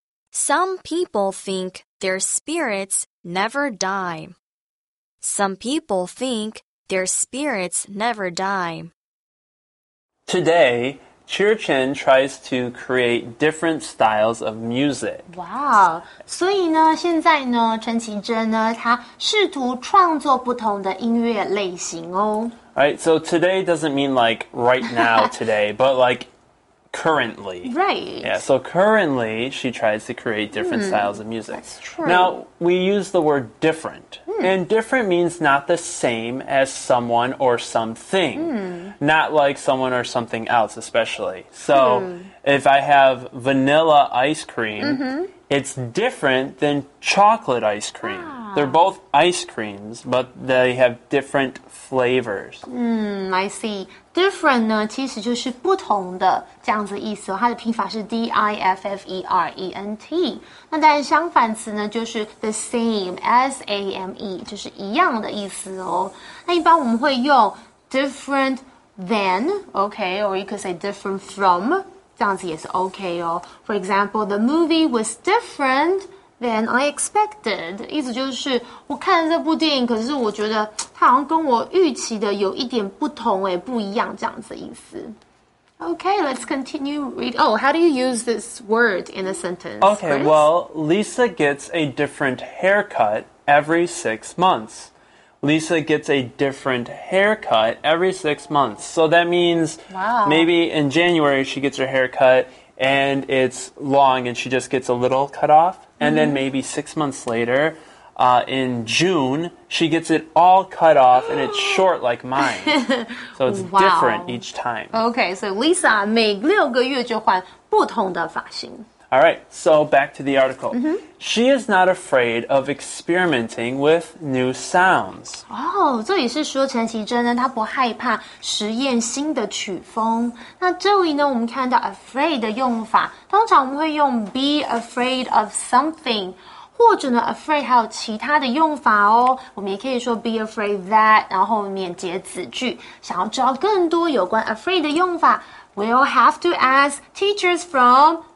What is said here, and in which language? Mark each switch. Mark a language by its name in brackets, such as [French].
[English] Some people think their spirits never die. Some people think their spirits never die. Today, Cheer Chin tries to create different styles of music. Wow! [Chinese] 所以呢，现在呢，陈绮贞呢，她试图创作不同的音乐类型哦。 [English] Right, so today doesn't mean like right now today, but like... Currently. Right. Yeah, so currently, she tries to create different styles of music. That's true. Now, we use the word different. And different means not the same as someone or something. Not like someone or something else, especially. So, if I have vanilla ice cream, it's different than chocolate ice cream. Ah. They're both ice creams, but they have different flavors. I see. [Chinese] Different 呢，其实就是不同的这样子意思、哦。它的拼法是 different。那但相反词呢，就是 [English] the same， [Chinese] same， 就是一样的意思哦。那一般我们会用 [English] different than，OK，or you could say different from， [Chinese] 这样子也是 OK 哦。 [English] For example， the movie was different than I expected。 [Chinese] 意思就是我看了这部电影，可是我觉得。它好像跟我预期的有一点不同诶，不一样这样子意思。 [English] Okay, let's continue read. Oh, how do you use this word in a sentence? Okay,、 Well, Lisa gets a different haircut every 6 months. Lisa gets a different haircut every 6 months. So that means、 wow. maybe in January she gets her haircut, and it's long and she just gets a little cut off. And mm-hmm. then maybe 6 months later, in June, she gets it all cut off and it's short like mine. So it's wow. different each time. [Chinese] Okay, so Lisa 每六个月就换不同的发型。 [English] Alright, so back to the article. Mm-hmm. She is not afraid of experimenting with new sounds. [Chinese] Oh, 这里是说陈绮贞呢，她不害怕实验新的曲风。那这里呢，我们看到 afraid 的用法，通常我们会用 [English] be afraid of something, [Chinese] 或者呢 afraid 还有其他的用法哦。我们也可以说 [English] be afraid that, [Chinese] 然后免结子句。想要知道更多有关 afraid 的用法， [English] we'll have to ask teachers from...